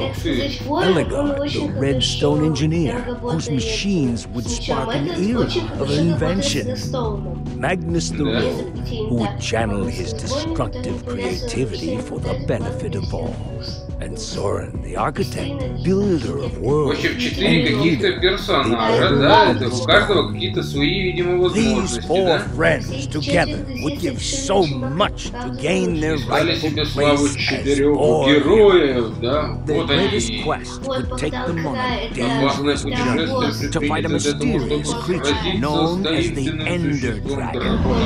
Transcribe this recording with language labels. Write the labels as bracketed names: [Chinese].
[English] Elegar, the redstone engineer, whose machines would spark an era of invention. Magnus the rogue, who would channel his destructive creativity for the benefit of all. And Soren, the architect, builder of worlds, [Russian] в общем, четыре каких-то персонажа, да, это у каждого какие-то свои, видимо, возможности, [English] these four [Russian] да? [English] Friends together would give so much to gain their rightful place as four [Russian] героев, да, [English] the [Russian] вот они. [English] Quest would take them on a dangerous journey to fight a mysterious creature known as the Ender Dragon.